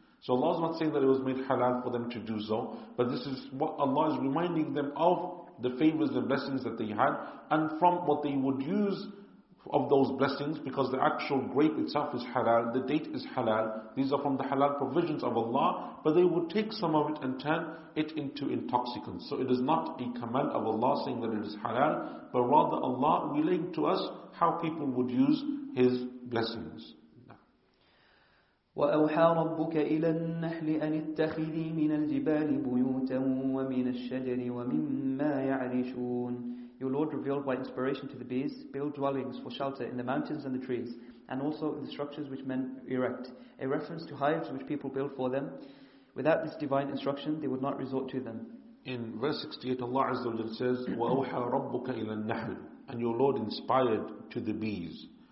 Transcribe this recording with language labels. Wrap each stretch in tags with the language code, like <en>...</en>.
<en>So Allah is not saying that it was made halal for them to do so, but this is what Allah is reminding them of, the favors and blessings that they had, and from what they would use of those blessings, because the actual grape itself is halal, the date is halal, these are from the halal provisions of Allah, but they would take some of it and turn it into intoxicants. So it is not a command of Allah saying that it is halal, but rather Allah relating to us how people would use His blessings.</en> <ar>وأوحى ربك إلى النحل أن اتخذي من الجبال بيوتا ومن الشجر ومما يعرشون.</ar> <en>Your Lord revealed by inspiration to the bees, build dwellings for shelter in the mountains and the trees, and also in the structures which men erect. A reference to hives which people build for them. Without this divine instruction, they would not resort to them. In verse 68, Allah Azza wa Jalla says,</en> <ar>وأوحى ربك إلى النحل,</ar> <en>and your Lord inspired to the bees.</en>